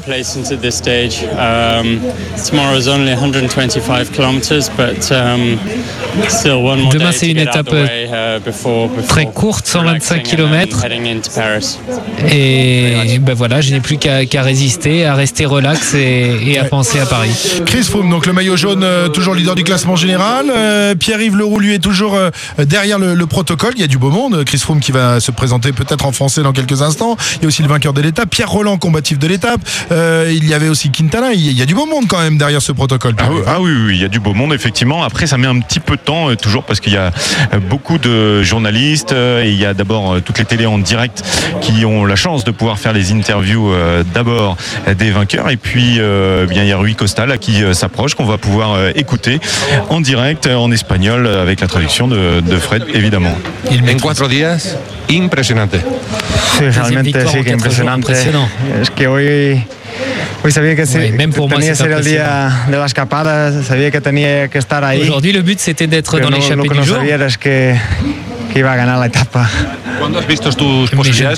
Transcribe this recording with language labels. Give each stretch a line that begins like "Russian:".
English: Tomorrow is only 125 kilometers, but still one more.
French: Demain c'est une étape très courte, 125 kilomètres. Et ben voilà, je n'ai plus qu'à résister, à rester relax et à penser à Paris. Chris Froome, donc le maillot jaune, toujours leader du classement général. Pierre-Yves Leroux lui est toujours derrière le protocole. Il y a du beau monde. Chris Froome qui va se présenté peut-être en français dans quelques instants. Il y a aussi le vainqueur de l'étape, Pierre Roland, combatif de l'étape. Il y avait aussi Quintana. Il y a du beau monde quand même derrière ce protocole. Ah oui, il y a du beau monde, effectivement. Après, ça met un petit peu de temps, toujours, parce qu'il y a beaucoup de journalistes. Et il y a d'abord toutes les télés en direct qui ont la chance de pouvoir faire les interviews d'abord des vainqueurs. Et puis, bien, il y a Rui Costa là, qui s'approche, qu'on va pouvoir écouter en direct, en espagnol, avec la traduction de Fred, évidemment. Il met 4 jours.
Spanish: Impresionante. Sí, realmente sí, que impresionante. Es que hoy sabía que tenía que ser el día de la escapada, sabía que tenía que estar ahí.
French: Aujourd'hui, le but c'était d'être dans l'échappée du jour.
Spanish: Lo que no sabía es que iba a ganar la etapa. ¿Cuándo has visto tus posibilidades?